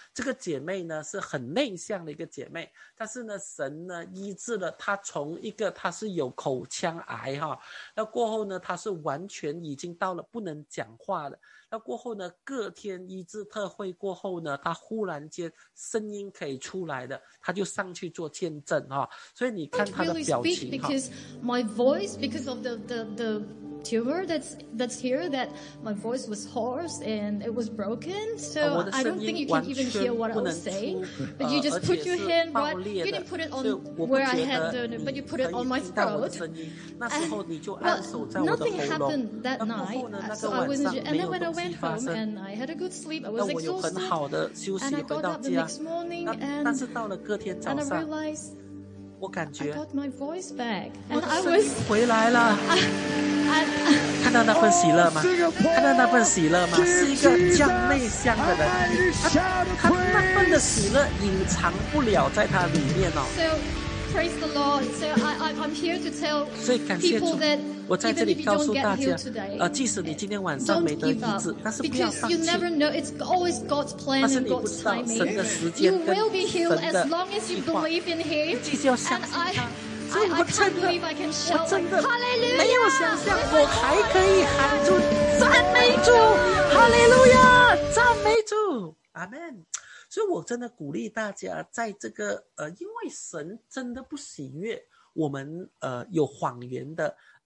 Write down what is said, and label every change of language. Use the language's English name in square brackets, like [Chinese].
[Chinese] 这个姐妹呢是很内向的一个姐妹，但是呢神呢医治了她，从一个她是有口腔癌哈，那过后呢她是完全已经到了不能讲话了，那过后呢隔天医治特会过后呢，她忽然间声音可以出来的，她就上去做见证哈。所以你看她的表情哈。 [English] Because my voice, because of the tumor that's here, that my voice was hoarse and it was broken, so I don't think you can even hear what I was saying, but you just put your hand right, you didn't put it on where I had the, but you put it on my throat, and well, nothing happened that night, so I was, and then when I went home and I had a good sleep, I was exhausted, and I got up the next morning, and I realized I got my voice back, and I was [Chinese] 回来了。看到那份喜乐吗？看到那份喜乐吗？是一个向内向的人，他那份的喜乐隐藏不了在他里面哦。 [English] So praise the Lord. So I'm here to tell people that. [Chinese] 我在这里告诉大家，即使你今天晚上没得医治，但是不要放弃。 [English] You never know, it's always God's plan and God's timing. [Chinese] 但是你不知道神的时间跟神的计划。 [English] You will be healed as long as you believe in Him. [Chinese] 你继续要相信他。 [English] I can't believe I can shout. [Chinese] 我真的 [English] Hallelujah, [Chinese] 没有想象我还可以喊出赞美主 ，Hallelujah, 赞美主 ，Amen。所以我真的鼓励大家，在这个因为神真的不喜悦我们有谎言的。